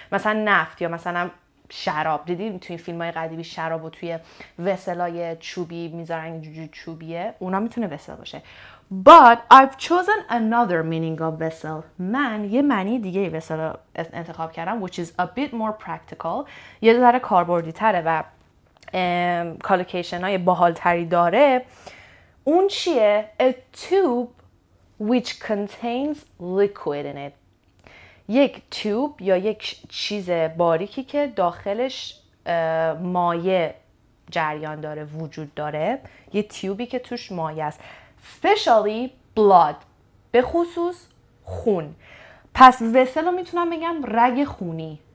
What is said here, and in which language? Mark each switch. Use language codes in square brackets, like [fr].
[fa] مثلا نفت یا مثلا شراب. دیدیم توی فیلم های قدیمی شراب رو توی وسلای چوبی میذارن، اینجوری چوبیه. اونا میتونه وسل باشه. [en] But I've chosen another meaning of vessel. [fa] من یه معنی دیگه ای وسل انتخاب کردم، [en] which is a bit more practical. [fa] یه ذره کاربردی تره و کالوکیشن های باحال تری داره. اون چیه؟ [en] A tube which contains liquid in it. [fa] یک tube یا یک چیز باریکی که داخلش مایع جریان داره، وجود داره. یه تیوبی که توش مایع است. [en] Specially blood. [fa] به خصوص خون. پس وسل رو میتونم بگم رگ خونی.